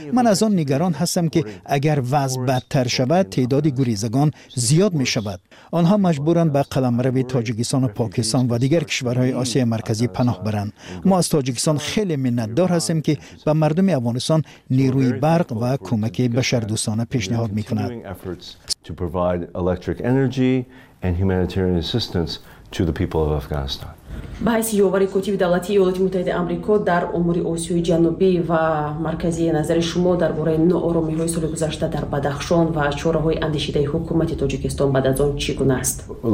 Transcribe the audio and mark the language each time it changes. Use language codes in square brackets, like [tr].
[fa] من از آن نگران هستم که اگر وضع بدتر شود تعداد گریزگان زیاد می‌شود. آنها مجبورند به قلمرو تاجیکستان و پاکستان و دیگر کشورهای آسیای مرکزی پناه برند. ما از تاجیکستان خیلی منتدار هستیم که به مردم افغانستان نیروی برق و کمک بشردوستانه پیشنهاد میکند. [en] To provide electric energy and humanitarian assistance to the people of Afghanistan. [fa] به حیث یووری کتیب دولتی ایالات متحده آمریکا در امور آسیای جنوبی و مرکزی، نظر شما درباره نوآرامی های سال گذشته در بدخشان و چاره های اندیشیده حکومت تاجیکستان بعد از آن چگونه است؟